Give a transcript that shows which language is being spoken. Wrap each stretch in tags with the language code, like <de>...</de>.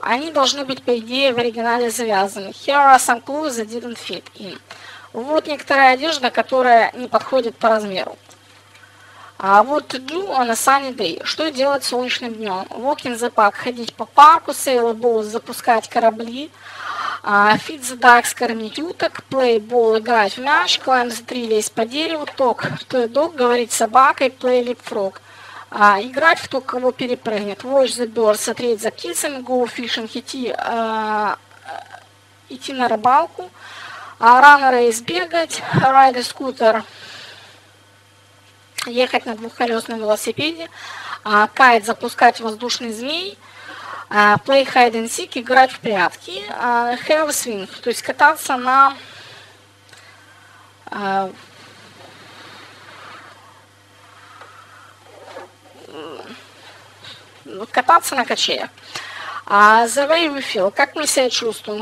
<ru>Они должны быть, по идее, в оригинале завязаны.</ru> <en>Here are some clothes that didn't fit in.</en> <ru>Вот некоторая одежда, которая не подходит по размеру.</ru> <en>What to do on a sunny day.</en> <ru>Что делать солнечным днем?</ru> <en>Walk in the park.</en> <ru>Ходить по парку.</ru> <en>Sail a boat.</en> <ru>Запускать корабли.</ru> <en>Feed the ducks.</en> <ru>Кормить уток.</ru> <en>Play ball.</en> <ru>Играть в мяч.</ru> <en>Climb the tree.</en> <ru>Лезть по дереву.</ru> <en>Talk to a dog.</en> <ru>Говорить с собакой.</ru> <en>Play leapfrog.</en> <ru>Играть в то, кого перепрыгнет.</ru> <en>Watch the birds,</en> <ru>смотреть за птицами,</ru> <en>go fishing,</en> <ru>идти на рыбалку.</ru> <en>Run a race, бегать. Ride a scooter,</en> <ru>ехать на двухколесном велосипеде. Kite, запускать воздушный змей.</ru> <en>Play hide and seek,</en> <ru>играть в прятки.</ru> <en>Have a swing,</en> <ru>то есть кататься на... кататься на качелях.</ru> <en>The way we feel.</en> <ru>Как мы себя чувствуем?</ru>